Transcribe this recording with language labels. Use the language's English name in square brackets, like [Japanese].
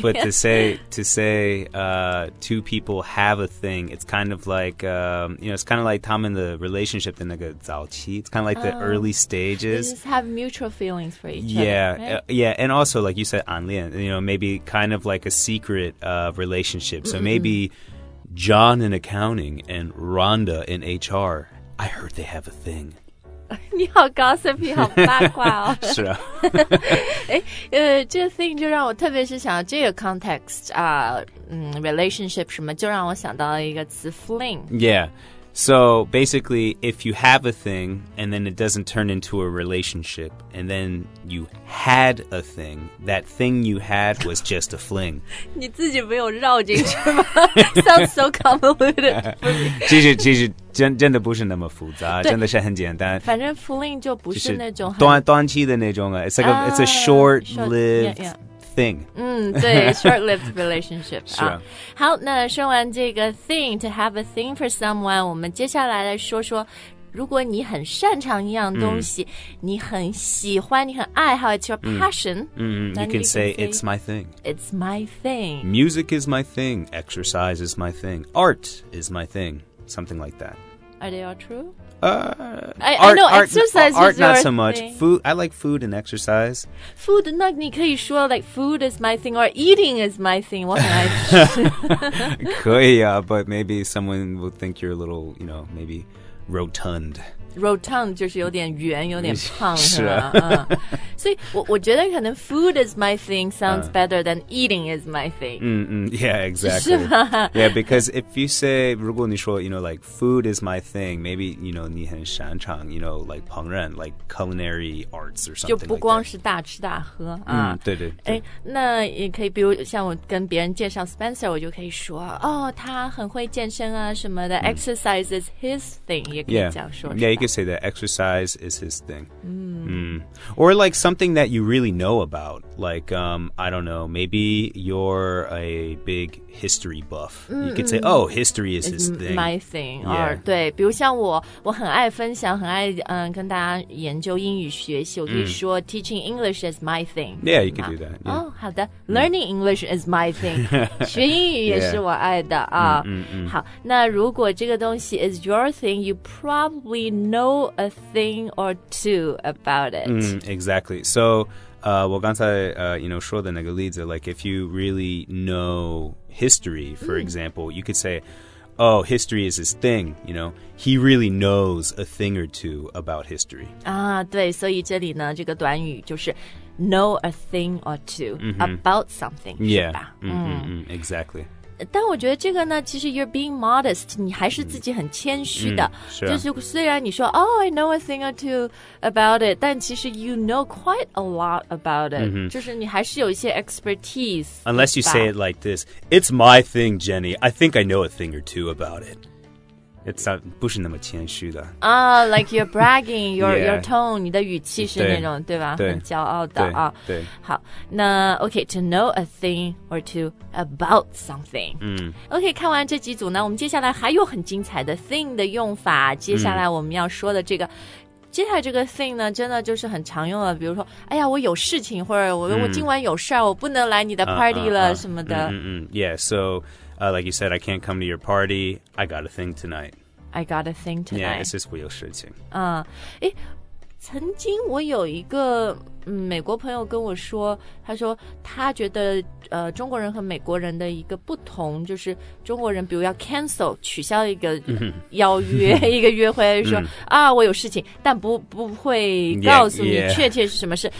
[English] But to say, two people have a thing, it's kind of like, it's kind of like [Chinese] 他们的 relationship 的那个早期 [English] It's kind of like the early stages. They just have mutual feelings for each other, and also, like you said, 暗恋 you know, maybe kind of like a secret of relationship. So maybe John in accounting and Rhonda in HR, I heard they have a thing. [Chinese] 你好 gossipy 好八卦哦是啊这个 thing 就让我特别是想到这个 context 啊、relationship 什么就让我想到了一个词 fling [English] yeah so basically if you have a thing and then it doesn't turn into a relationship and then you had a thing that thing you had was just a fling [Chinese] 你自己没有绕进去吗 [English] sounds so convoluted [Chinese] 继续真的不是那么复杂真的是很简单反正 fling 就不是那种短期的那种 [English] it's like it's a short-lived thing [Chinese] 对 [English] short-lived relationship [Chinese] 好那说完这个 thing [English] to have a thing for someone [Chinese] 我们接下来来说说如果你很擅长一样东西你很喜欢你很爱好 [English] it's your passion you can say it's my thing it's my thing music is my thing exercise is my thing art is my thingSomething like that. Are they all true? Exercise art, is not so much. Food, I like food and exercise. Food, [Chinese] 那你可以说 [English] like food is my thing or eating is my thing. [Chinese] 我很爱吃。可以啊, [English] but maybe someone will think you're a little, maybe rotund. [Chinese] Rotund 就是有点圆有点胖是吧、啊、所以我觉得可能 [English] food is my thing sounds better than eating is my thing. Yeah, exactly. [Chinese] 是吗 [English] Yeah, because if you say, [Chinese] 如果你说 [English] you know, like food is my thing, maybe, you know, [Chinese] 你很擅长 [English] you know, like 烹饪 like culinary arts or something [Chinese] 就不光是大吃大喝、 [English] like 啊、 [Chinese] 对对对那也可以比如像我跟别人介绍 Spencer, 我就可以说哦他很会健身啊什么的、 [English] exercise is his thing, [Chinese] 也可以这样说 [English] yeah, yeah, you could say that exercise is his thing. Or like something that you really know about. Like, I don't know, maybe you're a big history buff. You could say, oh, history is his thing. My thing. Yeah. [Chinese] 对比如像我我很爱分享很爱、跟大家研究英语学习我可以说、 [English] teaching English is my thing. Yeah, you could do that. Yeah. Oh, 好的 Learning English is my thing. [Chinese] 学英语也是我爱的、好那如果这个东西 [English] is your thing, you probably know a thing or two about it. Exactly. So, [Chinese] 我刚才、 [English] you know, [Chinese] 说的那个例子 [English] like if you really know history, for example, you could say, oh, history is his thing, you know. He really knows a thing or two about history. [Chinese] 啊、对所以这里呢这个短语就是 know a thing or two about something, [English] yeah. [Chinese] 是吧、 [English] Exactly. [Chinese] 但我觉得这个呢其实 [English] you're being modest [Chinese] 你还是自己很谦虚的、是就是虽然你说 [English] Oh, I know a thing or two about it [Chinese] 但其实 [English] you know quite a lot about it、 [Chinese] 就是你还是有一些 expertise [English] Unless you say it like this It's my thing, Jenny I think I know a thing or two about it It's not [Chinese] 不是那么谦虚的 [English] Like you're bragging your, 、 yeah. your tone [Chinese] 你的语气是那种对吧很骄傲的对、对好那 OK [English] To know a thing or two about something、 [Chinese] OK 看完这几组呢我们接下来还有很精彩的 thing 的用法接下来我们要说的这个、接下来这个 thing 呢真的就是很常用的比如说哎呀我有事情或者 我今晚有事我不能来你的 party 了什么的 [English] Yeah soLike you said, I can't come to your party. I got a thing tonight. I got a thing tonight. Yeah, it's just [Chinese] 我有事情。诶，曾经我有一个、美国朋友跟我说，他说他觉得、中国人和美国人的一个不同，就是中国人比如要 cancel 取消一个、邀约一个约会，说、啊我有事情，但不会告诉你确切是什么事。